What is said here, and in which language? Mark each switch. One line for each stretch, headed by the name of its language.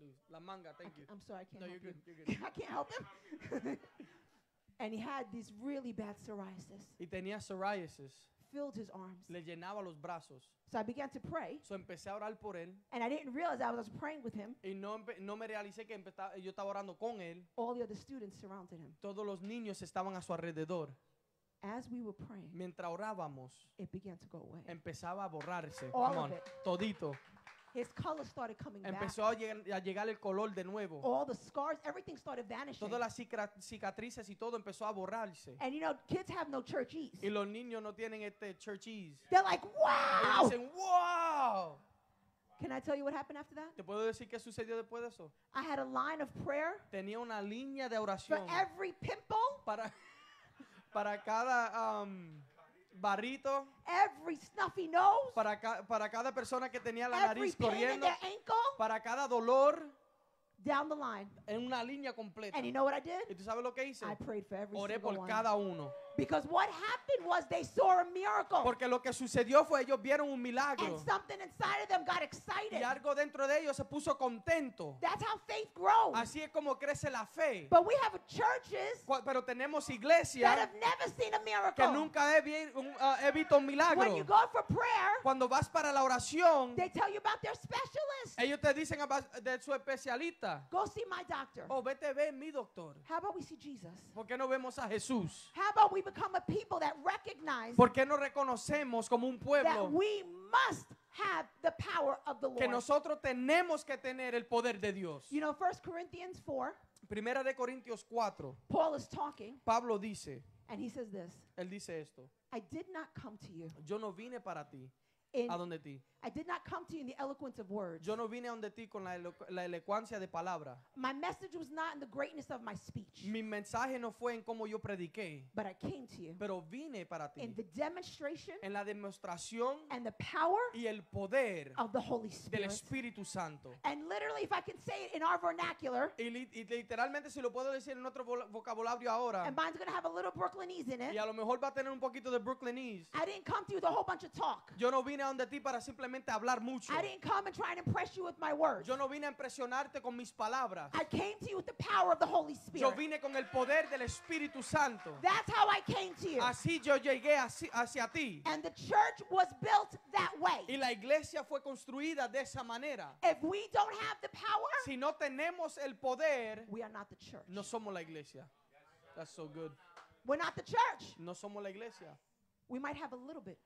Spanish: La manga,
English: thank you. I'm sorry, I can't no, help you're good. You. You're good. I can't help him. And he had this really bad psoriasis.
Spanish: Y tenía psoriasis.
English: Filled his arms.
Spanish: Le llenaba los brazos.
English: So I began to pray. So
Spanish: empecé a orar por él.
English: And I didn't realize I was praying with him.
Spanish: Y no me realicé que yo estaba orando con él.
English: All the other students surrounded him.
Spanish: Todos los niños estaban a su alrededor.
English: As we were praying,
Spanish: mientras orábamos,
English: it began to go away.
Spanish: Empezaba a borrarse.
English: All come of on, it.
Spanish: Todito.
English: His color started coming
Spanish: empezó
English: back.
Spanish: Empezó a llegar el color de nuevo.
English: All the scars, everything started vanishing.
Spanish: Todas las cicatrices y todo empezó a borrarse.
English: And you know, kids have no churchies.
Spanish: Y los niños no tienen este churchies.
English: They're like, wow!
Spanish: Y dicen, wow!
English: Can I tell you what happened after that?
Spanish: ¿Te puedo decir qué sucedió después de eso?
English: I had a line of prayer.
Spanish: Tenía una línea de oración.
English: For every pimple.
Spanish: Para cada barrito,
English: every snuffy nose,
Spanish: para cada persona que tenía la nariz corriendo,
English: every pain in their ankle,
Spanish: para cada dolor,
English: down the line,
Spanish: en una línea completa.
English: And you know what I did?
Spanish: ¿Y tú sabes lo que hice?
English: I prayed for every
Spanish: oré
English: single
Spanish: por
English: one.
Spanish: Cada uno.
English: Because what happened was they saw a miracle.
Spanish: Porque lo que sucedió fue ellos vieron un milagro.
English: And something inside of them got excited.
Spanish: Y algo dentro de ellos se puso contento.
English: That's how faith grows.
Spanish: Así es como crece la fe.
English: But we have churches.
Spanish: Pero tenemos iglesias
English: that have never seen a miracle.
Spanish: Que nunca he visto un milagro.
English: When you go for prayer,
Spanish: cuando vas para la oración,
English: they tell you about their specialist.
Spanish: Ellos te dicen de su especialista.
English: Go see my doctor.
Spanish: Oh, vete ve mi doctor.
English: How about we see Jesus?
Spanish: ¿Por qué no vemos a Jesús?
English: How about we become a people that recognize
Spanish: ¿por qué no reconocemos como un pueblo
English: that we must have the power of the Lord?
Spanish: Que nosotros tenemos que tener el poder de Dios.
English: You know, 1 Corinthians 4,
Spanish: Primera de Corintios 4,
English: Paul is talking,
Spanish: Pablo dice,
English: and he says this,
Spanish: él dice esto,
English: I did not come to you,
Spanish: yo no vine para ti, a donde ti,
English: I did not come to you in the eloquence of words,
Spanish: yo no vine a donde ti con la elocuencia de palabra,
English: my message was not in the greatness of my speech,
Spanish: mi mensaje no fue en cómo yo prediqué,
English: but I came to you,
Spanish: pero vine para ti,
English: in the demonstration,
Spanish: en la demostración,
English: and the power,
Spanish: y el poder,
English: of the Holy Spirit,
Spanish: del Espíritu Santo,
English: and literally if I can say it in our vernacular,
Spanish: y literalmente si lo puedo decir en otro vocabulario ahora,
English: and mine's going to have a little Brooklynese in it,
Spanish: y a lo mejor va a tener un poquito de Brooklynese,
English: I didn't come to you with a whole bunch of talk,
Spanish: yo no vine a donde ti para simplemente hablar mucho.
English: I didn't come and try and impress you with my words.
Spanish: Yo no vine a impresionarte con mis palabras.
English: I came to you with the power of the Holy Spirit.
Spanish: Yo vine con el poder del Espíritu Santo.
English: That's how I came to you.
Spanish: Así yo llegué hacia ti.
English: And the church was built that way.
Spanish: Y la iglesia fue construida de esa manera.
English: If we don't have the power,
Spanish: si no tenemos el poder,
English: we are not the church.
Spanish: No somos la iglesia.
English: That's so good. We're not the church.
Spanish: No somos la iglesia.
English: We might have a little bit.